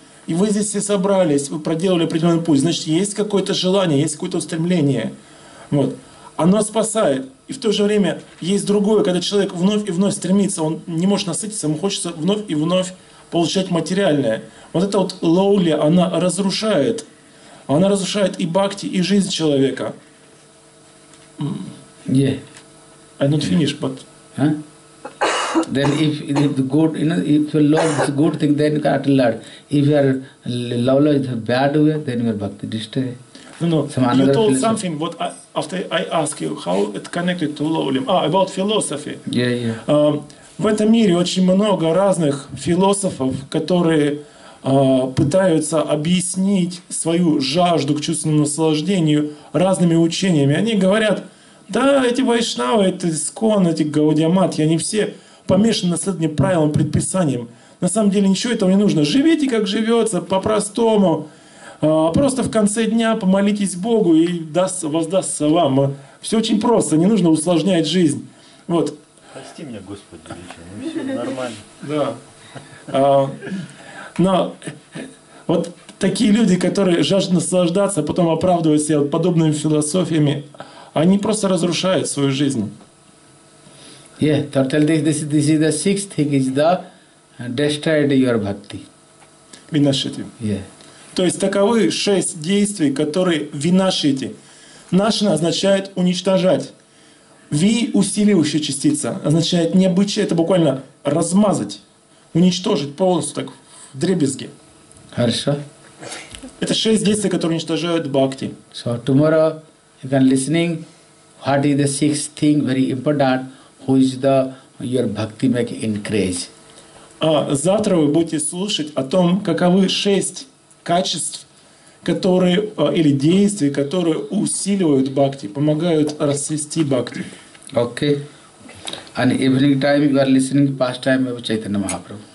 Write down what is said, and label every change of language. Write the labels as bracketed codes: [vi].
[ru] И вы здесь все собрались, вы проделали определенный путь. Значит, есть какое-то желание, есть какое-то устремление. Вот. Оно спасает. И в то же время есть другое, когда человек вновь и вновь стремится, он не может насытиться, ему хочется вновь и вновь получать материальное. Вот эта вот лоулия, она разрушает. Она разрушает и бхакти, и жизнь человека. [en] Yeah. I'm not finished, but... Then if the good, you know, if your love is a good thing, then you can't learn. If your love is a bad way, then your bhakti destroy. No. You told something. What I ask you, how it connected to lowly? About philosophy. Yeah, yeah. [ru] В этом мире очень много разных философов, которые пытаются объяснить свою жажду к чувственному наслаждению разными учениями. Они говорят, да, эти вайшнавы, эти искон, эти Гаудия Матхи, они все помешаны на следовании правилам, предписаниям. На самом деле ничего этого не нужно. Живите, как живется, по-простому. Просто в конце дня помолитесь Богу, и воздастся вам. Все очень просто, не нужно усложнять жизнь. Вот. Прости меня, Господи, вечером, ну все нормально. Да. Но вот такие люди, которые жаждут наслаждаться, потом оправдывают себя подобными философиями, они просто разрушают свою жизнь. [en] Yeah, totally. This is the sixth thing, is the destroyed your bhakti. Vinashiti. Yeah. [ru] То есть таковы шесть действий, которые винашити. Нашина означает уничтожать. Ви – усиливающая частица, означает необычай, это буквально размазать, уничтожить полностью, так в дребезги. Хорошо. Это шесть действий, которые уничтожают бхакти. [en] So tomorrow, if you are listening, what is the sixth thing, very important, who is the, your bhakti make increase? [ru] Завтра вы будете слушать о том, каковы шесть качеств, которые, или действий, которые усиливают бхакти, помогают расцвести бхакти. [en] Окей. And evening time you are listening past time of Chaitanya Mahaprabhu.